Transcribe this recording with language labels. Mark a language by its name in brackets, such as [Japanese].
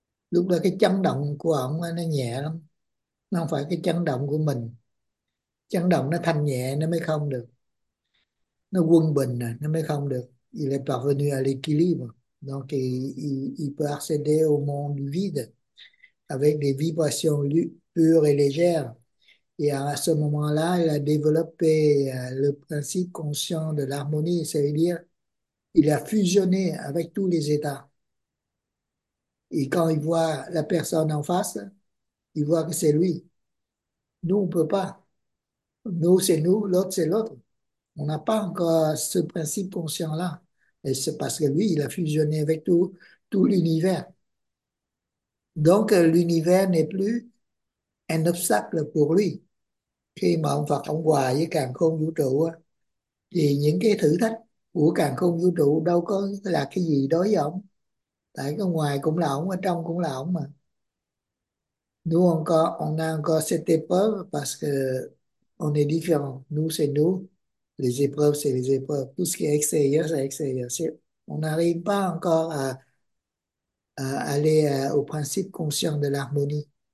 [Vietnamese] Lúc đó cái chấn động của ông ấy, nó nhẹ lắm. Nó không phải cái chấn động của mình. Chấn động nó thanh nhẹ nó mới không được. Nó quân bình à, nó mới không được. [French] Il est parvenu à l'équilibre. Donc, il peut accéder au monde vide avec des vibrations pures et légères. Et à ce moment-là, il a développé le principe conscient de l'harmonie, c'est-à-dire il a fusionné avec tous les états. Et quand il voit la personne en face, il voit que c'est lui. Nous, on peut pas. Nous, c'est nous, l'autre, c'est l'autre. On n'a pas encore ce principe conscient-là. Et c'est parce que lui, il a fusionné avec tout l'univers. Donc, l'univers n'est plus un obstacle pour lui. [Vietnamese] Khi mà ông Phật ông hòa với càn khôn vũ trụ thì những cái thử thách của càn khôn vũ trụ đâu có là cái gì đối với ông, tại cái ngoài cũng là ông, ở trong cũng là ông mà. [French] Nous, on a encore cette épreuve parce que on est différents. Nous, c'est nous. Les épreuves, c'est les épreuves. Tout ce qui est extérieur, c'est extérieur. On n'arrive pas encore à aller au principe conscient de l'harmonie.